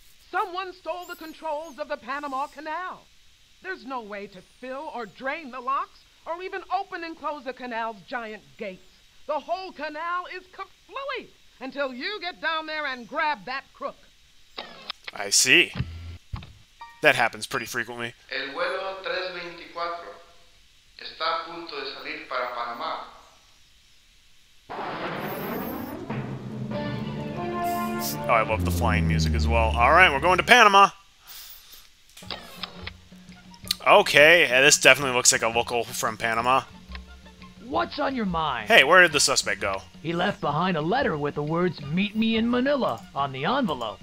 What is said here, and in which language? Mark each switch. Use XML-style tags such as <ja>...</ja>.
<en>Someone stole the controls of the Panama Canal. There's no way to fill or drain the locks or even open and close the canal's giant gates. The whole canal is kaflooey until you get down there and grab that crook. I see. That happens pretty frequently.</en> <es>El vuelo 324 está a punto de salir para Panamá.</es> <en>Oh, I love the flying music as well. All right, we're going to Panama. Okay, yeah, this definitely looks like a local from Panama. What's on your mind? Hey, where did the suspect go? He left behind a letter with the words, "Meet me in Manila," on the envelope.</en>